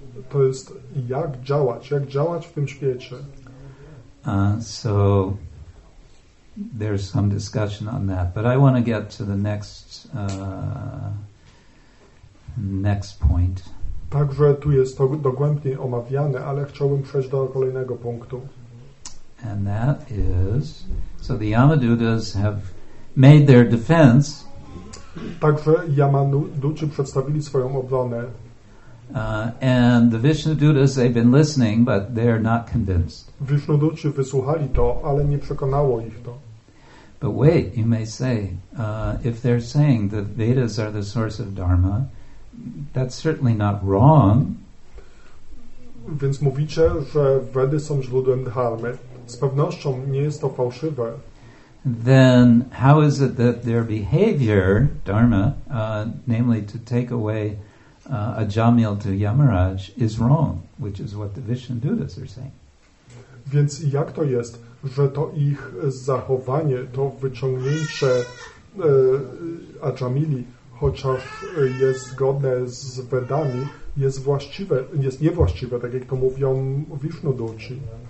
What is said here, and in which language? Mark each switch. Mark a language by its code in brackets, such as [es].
[pl] To jest jak działać w tym świecie. [en] So there's some discussion on that, but I want to get to the next point. [pl] Także tu jest to dogłębnie omawiane, ale chciałbym przejść do kolejnego punktu. [en] And that is, so the Yamadutas have made their defense. [pl] Także Yamaduci przedstawili swoją obronę. [en] And the Vishnudutas, they've been listening, but they're not convinced. [pl] Vishnuduci wysłuchali to, ale nie przekonało ich to. [en] But wait, you may say, if they're saying that Vedas are the source of Dharma, that's certainly not wrong. [pl] Więc mówicie, że Wedy są źródłem dharmy. Z pewnością nie jest to fałszywe. [en] Then how is it that their behavior, dharma, namely to take away Ajamil to Yamaraj, is wrong, which is what the Vishnudutas are saying. [pl] Więc jak to jest, że to ich zachowanie, to wyciągnięcie Ajamili, chociaż jest zgodne z Wedami, jest właściwe, jest niewłaściwe, tak jak to mówią Vishnuduci.